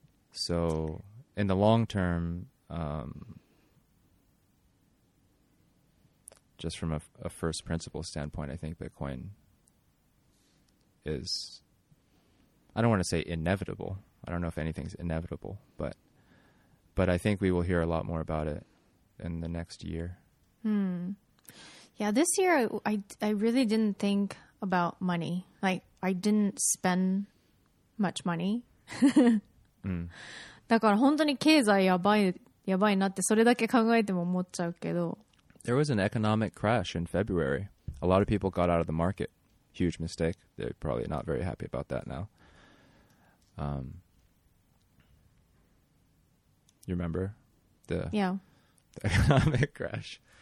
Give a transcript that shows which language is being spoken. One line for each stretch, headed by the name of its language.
English: So in the long term, just from a first principle standpoint, I think Bitcoin is, I don't want to say inevitable. I don't know if anything's inevitable, but I think we will hear a lot more about it in the next year. Yeah, this year I really didn't think about money. Like, I didn't spend much money.
Japanese: だから本当に経済やばい、やばいなってそれだけ考えても思っちゃうけど。
English: There was an economic crash in February. A lot of people got out of the market. Huge mistake. They're probably not very happy about that now. You remember the, yeah, the economic crash?